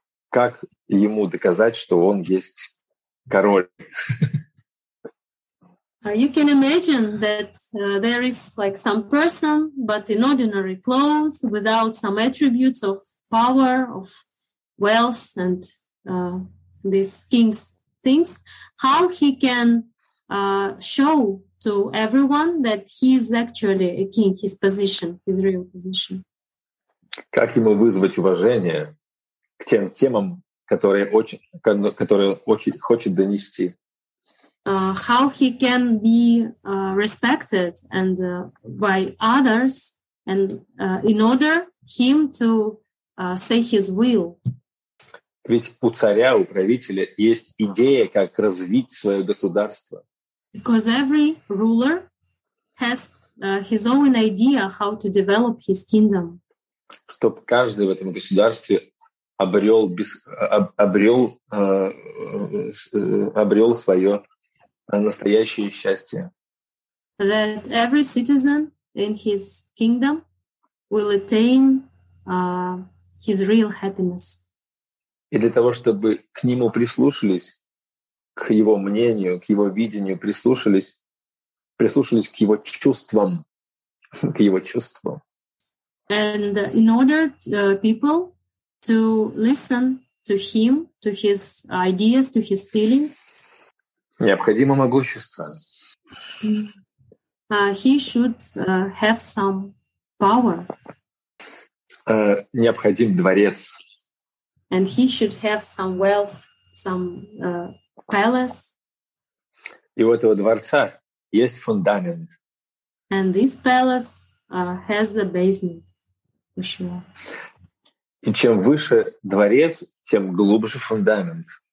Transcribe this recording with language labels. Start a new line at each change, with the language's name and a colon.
Russian: Как ему доказать, что он есть король?
English: You can imagine that there is like some person, but in ordinary clothes, without some attributes of power, of wealth and these king's things, how he can show to everyone that he is actually a king, his position, his real position.
Russian: Как ему вызвать уважение к тем темам, которые хочет донести?
English: How he can be respected and by others and in order him to say his will.
Russian: Ведь у царя, у правителя есть идея, как развить свое государство.
English: Because every ruler has his own idea how to develop his kingdom.
Russian: Чтоб каждый в этом государстве обрел свое настоящее счастье.
English: That every citizen in his kingdom will attain his real happiness.
Russian: И для того, чтобы к нему прислушались, к его мнению, к его видению, прислушались к его чувствам, к его чувствам.
English: And in order to, people to listen to him, to his ideas, to his feelings.
Russian: Необходимо могущество.
English: He should have some power.
Russian: Необходим дворец.
English: And he should have some wealth, some palace.
Russian: И у этого дворца есть фундамент.
English: And this palace has a basement, for sure.
Russian: И чем выше дворец, тем глубже фундамент.